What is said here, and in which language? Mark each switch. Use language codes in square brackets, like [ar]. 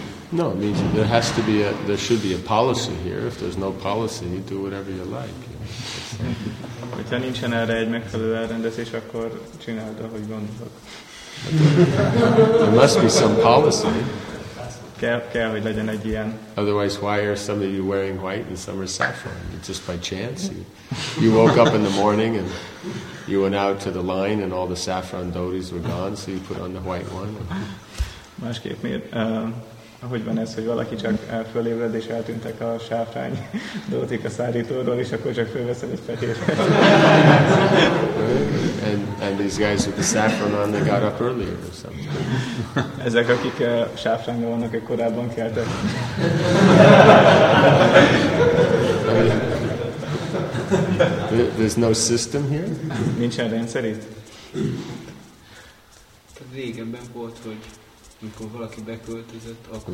[en] No, it means there has to be a, there should be a policy here. If there's no policy, you do whatever you like. [hu] Hogyha nincsen erre egy megfelelő elrendezés, akkor csináld, ahogy gondolod. [en] There must be some policy. [hu] Kell, hogy legyen egy ilyen. [en] Otherwise, why are some of you wearing white and some are saffron? Just by chance, you woke up in the morning and you went out to the line and all the saffron dhotis were gone, so you put on the white one. [hu] Másképp miért? Ahogy van ez, hogy valaki csak fölébred és eltűntek a sáfrány dhotik a szárítóról, és akkor csak fölveszel egy fehér. [en] And these guys with the saffron on, they got up earlier or something. [hu] Ezek, akik sáfránnyal vannak, egy korábban keltek. [en] There's no system here? [hu] Nincsen rendszer itt? Régenben volt, hogy amikor valaki beköltözött, akkor...